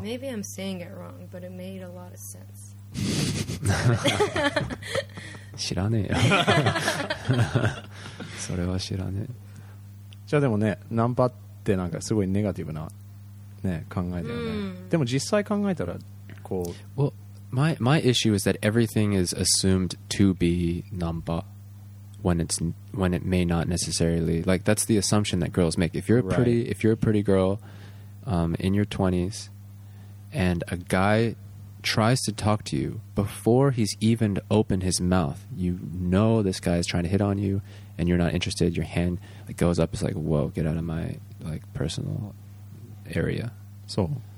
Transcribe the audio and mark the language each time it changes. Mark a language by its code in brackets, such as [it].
[en] Maybe I'm saying it wrong, but it made a lot of sense. [ja] 知らねえよそれは知らねえじゃあでもねナンパってなんかすごいネガティブな、ね、考えだよね、mm. でも実際考えたらこう [en] Well, my issue is that everything is assumed to be ナンパ when it may not necessarily like that's the assumption that girls make if you're a pretty,、right. if you're a pretty girl、in your 20s and a guy tries to talk to you before he's even opened his mouth you know this guy is trying to hit on you and you're not interested your hand like, goes up it's like whoa get out of my like personal area so